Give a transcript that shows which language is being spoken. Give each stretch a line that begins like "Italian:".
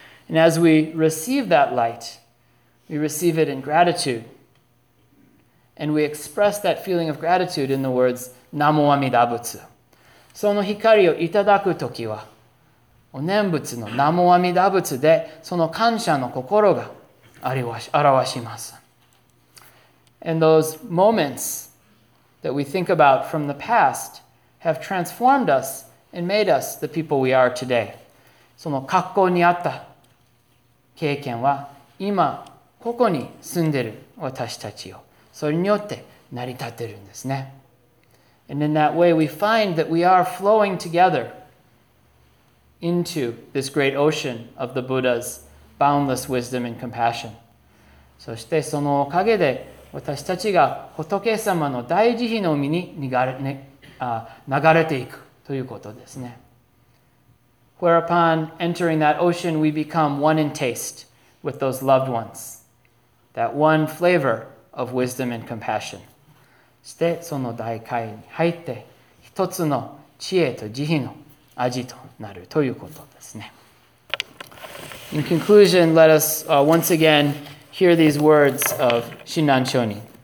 English: And as we receive that light,We receive it in gratitude. And we express that feeling of gratitude in the words, Namo Amida Butsu.
Japanese: その光をいただくときは、お念仏の Namo Amida Butsu で、その感謝の心が表します。
English: And those moments that we think about from the past have transformed us and made us the people we are today.
Japanese: その格好にあった経験は、今、ここに住んでる私たちを、それによって成り立ってるんですね。
English: And in that way, we find that we are flowing together into this great ocean of the Buddha's boundless wisdom and compassion.
Japanese: そしてそのおかげで、私たちが仏様の大慈悲の海に流れていくということですね。
English: Whereupon entering that ocean, we become one in taste with those loved ones. That one flavor of wisdom and compassion.
Japanese: してその大海に入って一つの知恵と慈悲の味となるということですね。
English: In conclusion, let us once again hear these words of 親鸞聖人。